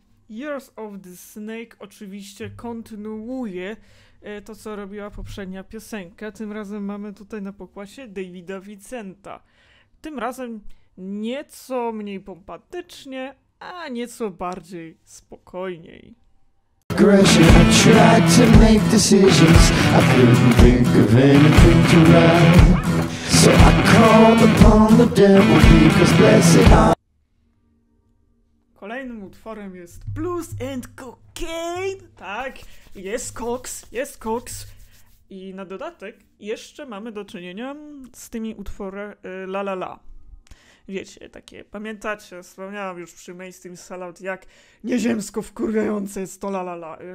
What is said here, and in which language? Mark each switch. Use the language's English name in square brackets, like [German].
[Polish] Years of the Snake oczywiście kontynuuje to, co robiła poprzednia piosenka. Tym razem mamy tutaj na pokładzie Davida Vincenta. Tym razem nieco mniej pompatycznie, a nieco bardziej spokojniej. [English] Aggression. I tried to make decisions. I couldn't think of anything to write. So I called upon the devil because blessed are. [Polish] Kolejnym utworem jest Blues and Cocaine. Tak, jest koks. I na dodatek jeszcze mamy do czynienia z tymi utworem La La La. Wiecie, takie, pamiętacie, wspomniałam już przy Mainstream Sellout, jak nieziemsko wkurwiające jest to La La La.